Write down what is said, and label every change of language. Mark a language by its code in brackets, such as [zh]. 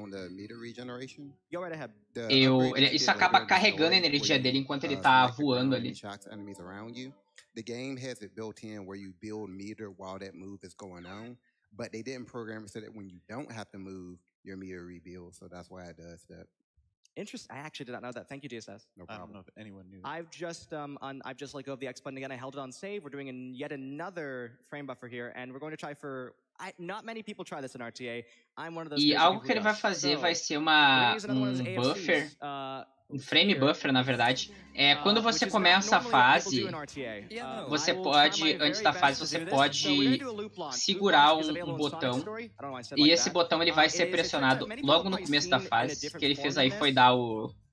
[pt] carregando o... Isso acaba carregando a energia dele enquanto ele tá voando ali. [en] The game has it built in where you build meter while that move is going on, but they didn't program it so that when you don't have to move, your meter rebuilds, so that's why it does that. Interesting. I actually did not know that. Thank you, DSS. No problem. I don't know if anyone knew. I've just let go of the X button again. I held it on save. We're doing yet another frame buffer here, and we're going to try for... not many people try this in RTA. I'm one of those. [pt] E algo que ele vai fazer vai ser um frame buffer, na verdade. É quando você começa a fase, você pode, antes da fase, você pode segurar um botão. E esse botão ele vai ser pressionado logo no começo da fase. O que ele fez aí foi dar o